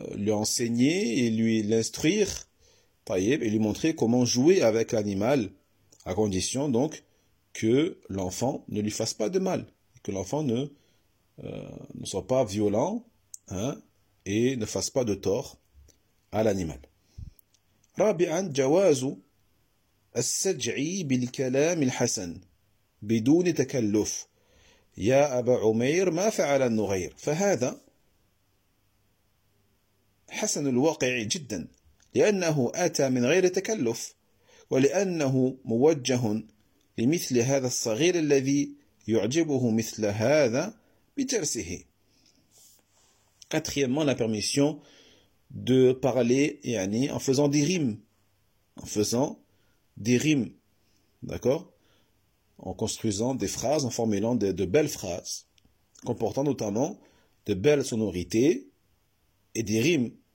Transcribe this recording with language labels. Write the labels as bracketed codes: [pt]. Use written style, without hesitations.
[fr] enseigner et lui l'instruire, taïeb, et lui montrer comment jouer avec l'animal, à condition donc que l'enfant ne lui fasse pas de mal, que l'enfant ne soit pas violent, et ne fasse pas de tort à l'animal. [ar] Rabi'an jawazu السجعي بالكلام الحسن بدون تكلف يا أبا عمير ما فعل النغير. فهذا حسن الواقع جدا، لأنه أتى من غير تكلف، ولأنه موجه لمثل هذا الصغير الذي يعجبه مثل هذا بترسه. [fr] Quatrièmement, la permission de parler يعني en faisant des rimes. En faisant des rimes. D'accord? En construisant des phrases, en formulant de belles phrases, comportant notamment de belles sonorités et des rimes.